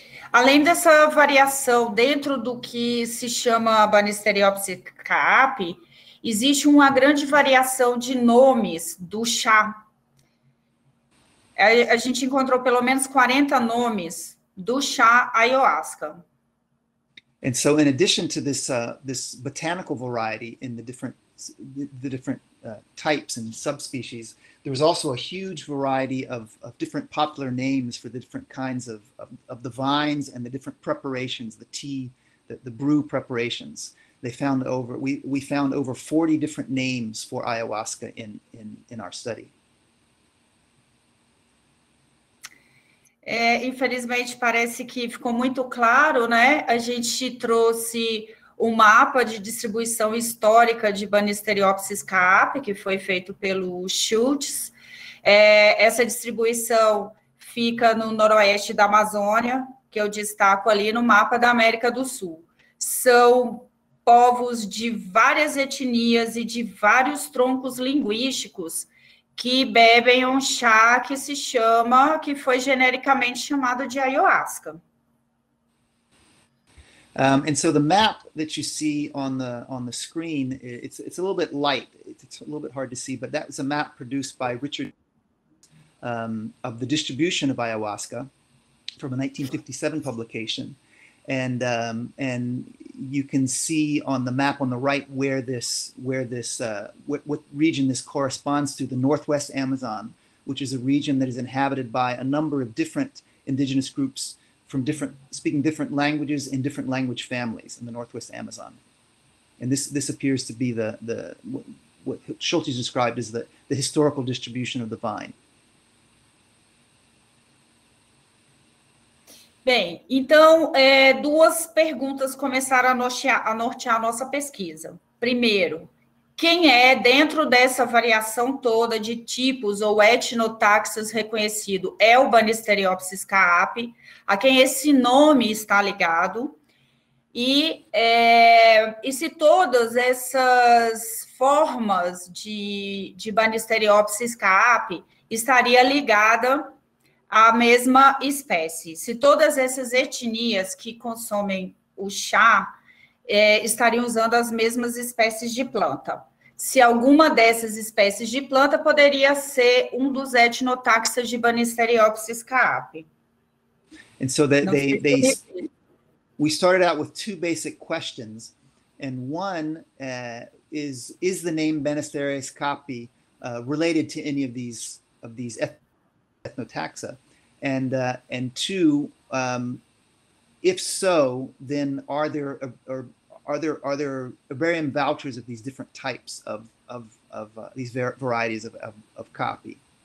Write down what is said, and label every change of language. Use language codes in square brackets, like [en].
[pt] Além dessa variação dentro do que se chama Banisteriopsis caapi, existe uma grande variação de nomes do chá. A gente encontrou pelo menos 40 nomes do chá ayahuasca. [en] And so in addition to this this botanical variety in the different types and subspecies, there was also a huge variety of different popular names for the different kinds of the vines and the different preparations, the tea, the brew preparations. We found over 40 different names for ayahuasca in our study. [pt] Infelizmente, parece que ficou muito claro, né? A gente trouxe um mapa de distribuição histórica de Banisteriopsis caapi, que foi feito pelo Schultz. Essa distribuição fica no noroeste da Amazônia, que eu destaco ali no mapa da América do Sul. São povos de várias etnias e de vários troncos linguísticos que bebem um chá que se chama, que foi genericamente chamado de ayahuasca. [en] And so the map that you see on the screen, it's a little bit light, it's a little bit hard to see, but that was a map produced by Richard of the distribution of ayahuasca from a 1957 publication. And you can see on the map on the right what region this corresponds to, the Northwest Amazon, which is a region that is inhabited by a number of different indigenous groups from different, speaking different languages in different language families in the Northwest Amazon. And this appears to be the what Schultes described as the historical distribution of the vine. [pt] Bem, então, duas perguntas começaram a nortear a nossa pesquisa. Primeiro, quem é, dentro dessa variação toda de tipos ou etnotaxas reconhecido, é o Banisteriopsis caapi? A quem esse nome está ligado? E se todas essas formas de Banisteriopsis caapi estaria ligada à mesma espécie? Se todas essas etnias que consomem o chá estariam usando as mesmas espécies de planta? Se alguma dessas espécies de planta poderia ser um dos etnotáxis de Banisteriopsis caapi? [en] And so [pt] Não sei se eu repito. [en] we started out with two basic questions, and one is the name Banisteriopsis caapi related to any of these ethnotaxa, and two, if so, then are there herbarium vouchers of these different types of these varieties of caapi?